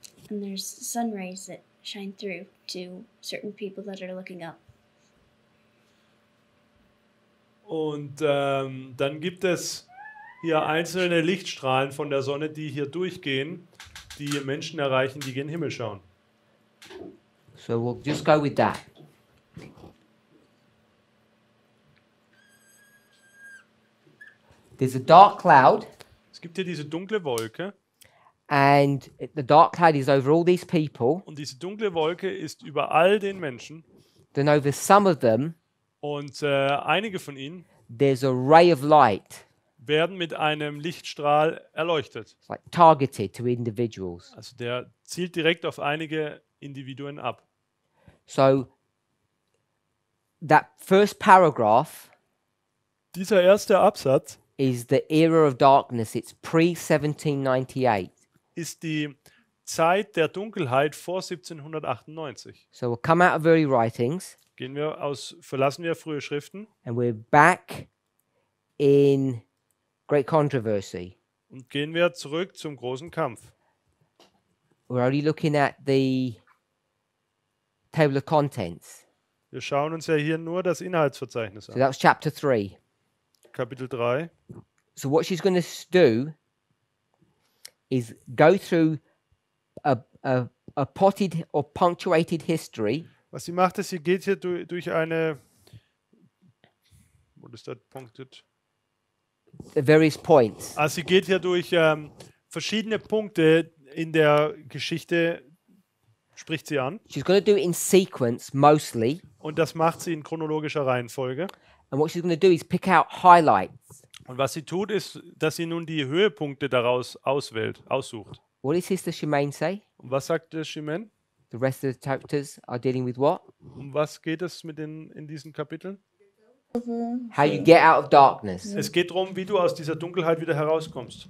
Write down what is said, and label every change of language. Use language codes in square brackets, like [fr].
[en] And there's sun rays that shine through to certain people that are looking up. [de] Und dann gibt es hier einzelne Lichtstrahlen von der Sonne, die hier durchgehen, die Menschen erreichen, die gen Himmel schauen. [en] So we'll just go with that. There's a dark cloud. [de] Es gibt hier diese dunkle Wolke. [en] And the dark cloud is over all these people. [de] Und diese dunkle Wolke ist über all den Menschen. [en] Then over some of them. [de] Und einige von ihnen. [en] There's a ray of light. [de] Werden mit einem Lichtstrahl erleuchtet. [en] It's like targeted to individuals. [de] Also der zielt direkt auf einige Individuen ab. [en] So that first paragraph. [de] Dieser erste Absatz. [en] Is the era of darkness. It's pre-1798. [de] Ist die Zeit der Dunkelheit vor 1798. [en] So we'll come out of early writings. [de] Verlassen wir frühe Schriften. [en] And we're back in great controversy. [de] Und gehen wir zurück zum großen Kampf. [en] We're only looking at the table of contents. [de] Wir schauen uns ja hier nur das Inhaltsverzeichnis an. [en] So that's chapter 3. [de] Kapitel 3. [en] So what she's going to do is go through a potted or punctuated history. [de] Was sie macht, ist, sie geht hier durch eine, [en] what is that, punctuated? The various points. [de] Also sie geht hier durch verschiedene Punkte in der Geschichte, spricht sie an. [en] She's going to do it in sequence, mostly. [de] Und das macht sie in chronologischer Reihenfolge. [en] And what she's going to do is pick out highlights. [de] Und was sie tut, ist, dass sie nun die Höhepunkte daraus auswählt, aussucht. [en] What does Sister Chimène say? [de] Und was sagt der Chimène? [en] The rest of the chapters are dealing with what? [de] Um was geht es mit in diesen Kapiteln? [en] How you get out of darkness. [de] Es geht darum, wie du aus dieser Dunkelheit wieder herauskommst.